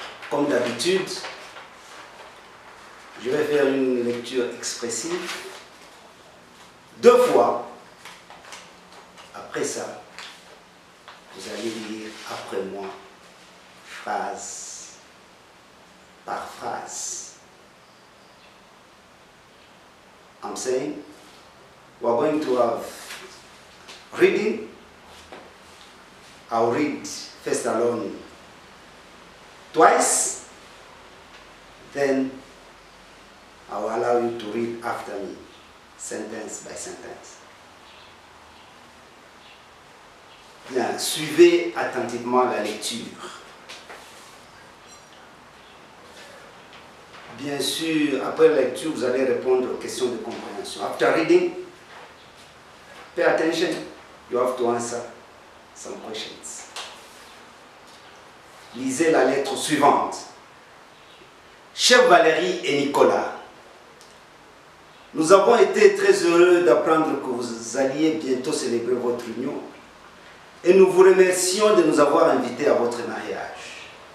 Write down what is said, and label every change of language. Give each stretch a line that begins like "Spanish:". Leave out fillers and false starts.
French: Comme d'habitude, je vais faire une lecture expressive. Deux fois, après ça, vous allez lire après moi, phrase par phrase.
English: I'm saying, we're going to have reading. I'll read first alone twice, then I'll allow you to read after me, sentence by sentence.
French: Bien, suivez attentivement la lecture. Bien sûr, après la lecture, vous allez répondre aux questions de compréhension.
English: After reading, pay attention. You have to answer some questions.
French: Lisez la lettre suivante. Cher Valérie et Nicolas, nous avons été très heureux d'apprendre que vous alliez bientôt célébrer votre union. Et nous vous remercions de nous avoir invités à votre mariage.